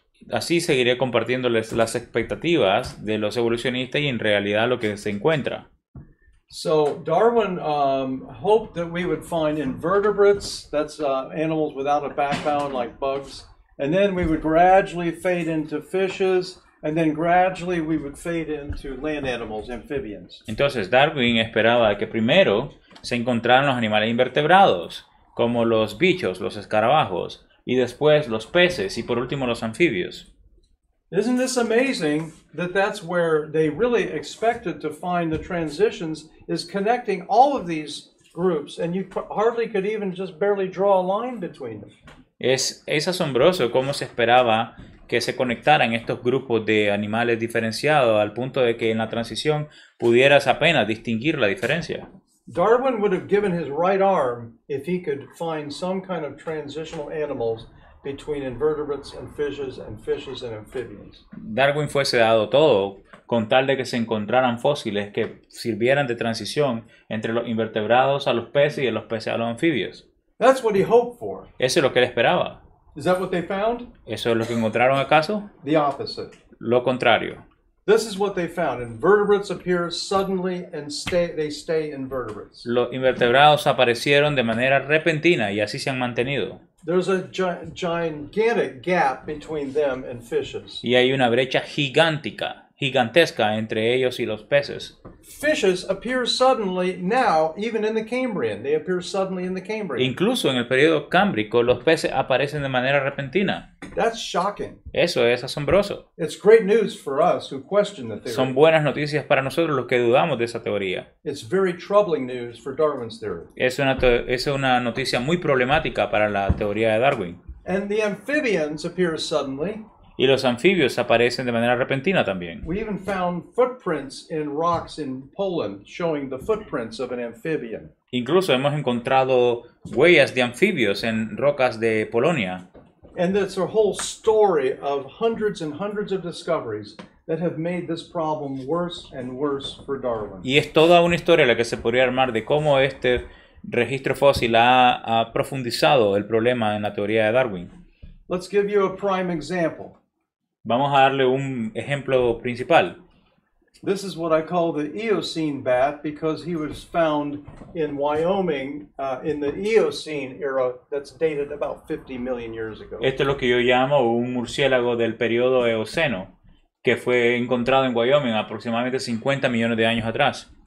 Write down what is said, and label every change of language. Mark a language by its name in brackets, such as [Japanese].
[Spanish] Así seguiré compartiéndoles las expectativas de los evolucionistas y en realidad lo que se encuentra. [English] So Darwin hoped that we would find invertebrates, that's animals without a backbone like bugs, and then we would gradually fade into fishes, and then gradually we would fade into land animals, amphibians. [Spanish] Entonces Darwin esperaba que primero se encontraran los animales invertebrados, como los bichos, los escarabajos, y después los peces y por último los anfibios. [English] Isn't this amazing that that's where they really expected to find the transitions is connecting all of these groups and you hardly could even just barely draw a line between them. [Spanish] Es asombroso cómo se esperaba que se conectaran estos grupos de animales diferenciados al punto de que en la transición pudieras apenas distinguir la diferencia. [English] Darwin would have given his right arm if he could find some kind of transitional animals between invertebrates and fishes and amphibians. [Spanish] Darwin fuese dado todo con tal de que se encontraran fósiles que sirvieran de transición entre los invertebrados a los peces y los peces a los anfibios. [English] That's what he hoped for. [Spanish] Eso es lo que él esperaba. [English] Is that what they found? [Spanish] ¿Eso es lo que encontraron acaso? [English] The opposite. [Spanish] Lo contrario. [English] This is what they found. Invertebrates appear suddenly and they stay invertebrates. [Spanish] Los invertebrados aparecieron de manera repentina y así se han mantenido. [English] There's a gigantic gap between them and fishes. [Spanish] Y hay una brecha gigantesca entre ellos y los peces. [English] Fishes appear suddenly now even in the Cambrian. They appear suddenly in the Cambrian. [Spanish] Incluso en el periodo Cámbrico los peces aparecen de manera repentina. [English] That's shocking. [Spanish] Eso es asombroso. [English] It's great news for us who question the theory. [Spanish] Son buenas noticias para nosotros los que dudamos de esa teoría. [English] It's very troubling news for Darwin's theory. [Spanish] Es una noticia muy problemática para la teoría de Darwin. [English] And the amphibians appear suddenly. [Spanish] Y los anfibios aparecen de manera repentina también. [English] We even found footprints in rocks in Poland showing the footprints of an amphibian. [Spanish] Incluso hemos encontrado huellas de anfibios en rocas de Polonia. [English] And that's a whole story of hundreds and hundreds of discoveries that have made this problem worse and worse for Darwin. [Spanish] Y es toda una historia la que se podría armar de cómo este registro fósil ha profundizado el problema en la teoría de Darwin. [English] Let's give you a prime example. [Spanish] Vamos a darle un ejemplo principal. [English] This is what I call the Eocene bat because he was found in Wyoming in the Eocene era that's dated about 50 million years ago. [Spanish] Esto es lo que yo llamo un murciélago del periodo Eoceno que fue encontrado en Wyoming aproximadamente 50 millones de años atrás.